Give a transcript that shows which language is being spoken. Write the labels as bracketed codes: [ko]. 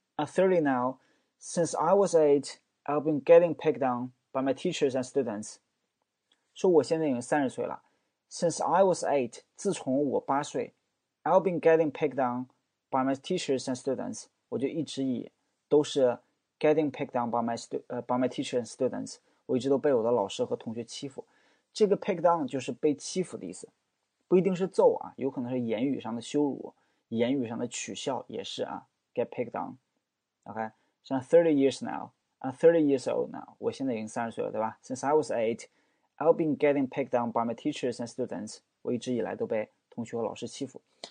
[en] I'm 30 now，since I was eight，I've been getting picked on by my teachers and students。 [zh] 说我现在已经30岁了。” [en] Since I was eight， [zh] 自从我8岁， [en] I've been getting picked on by my teachers and students。 [zh] 我就一直以都是 [en] getting picked on by my teachers and students。 [zh] 我一直都被我的老师和同学欺负。这个 picked on 就是被欺负的意思，不一定是揍啊，有可能是言语上的羞辱，言语上的取笑也是啊。 [en] get picked on。 OK，像 30 years now，I'm 30 years old now。 [zh] 我现在已经30岁了，对吧？ [en] Since I was eight。 I've been getting picked on by my teachers and students。 [zh] 我一直以来都被同学和老师欺负。